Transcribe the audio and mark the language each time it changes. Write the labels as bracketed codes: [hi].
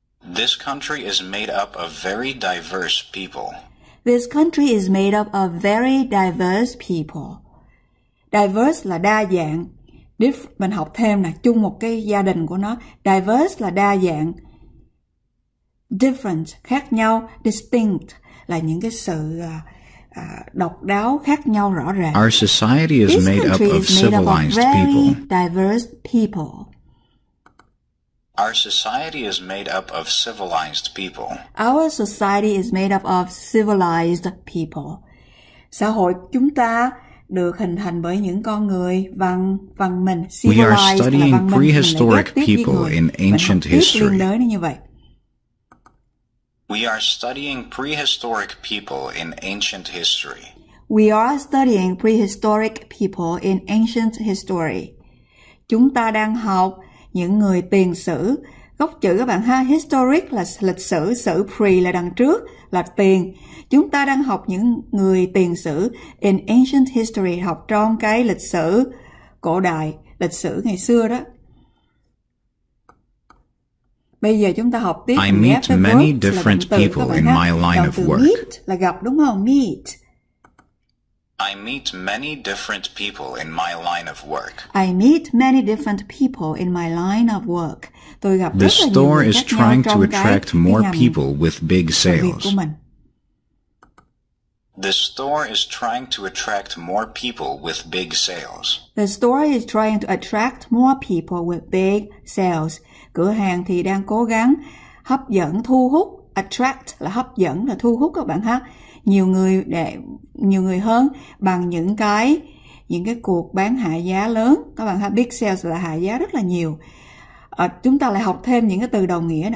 [en] This country is made up of very diverse people. This country is made up of very diverse people. [vi] Diverse là đa dạng. Mình học thêm là chung một cái gia đình của nó. Diverse là đa dạng. Different, khác nhau. Distinct là những cái sự độc đáo, khác nhau rõ ràng. [en] Our society is made up of civilized people. This country is made up of very diverse people. Our society is made up of civilized people. Our society is made up of civilized people. [vi] Xã hội chúng ta được hình thành bởi những con người văn minh. [en] We are studying prehistoric people in ancient history. We are studying prehistoric people in ancient history. We are studying prehistoric people in ancient history. [vi] Chúng ta đang học những người tiền sử. Gốc chữ các bạn ha, historic là lịch sử, sử pre là đằng trước, là tiền. Chúng ta đang học những người tiền sử, [en] in ancient history, [vi] học trong cái lịch sử cổ đại, lịch sử ngày xưa đó. Bây giờ chúng ta học tiếp. [en] I meet many different people in my line of work. [vi] Meet là gặp đúng không? Meet. [en] I meet many different people in my line of work. I meet many different people in my line of work. [vi] Tôi gặp [en] the store is trying to attract more people with big sales. The store is trying to attract more people with big sales. The store is trying to attract more people with big sales. [vi] Cửa hàng thì đang cố gắng hấp dẫn, thu hút. Attract là hấp dẫn, là thu hút các bạn ha. Nhiều người để nhiều người hơn bằng những cái cuộc bán hạ giá lớn. Các bạn ha, big sales là hạ giá rất là nhiều. Chúng ta lại học thêm những cái từ đồng nghĩa.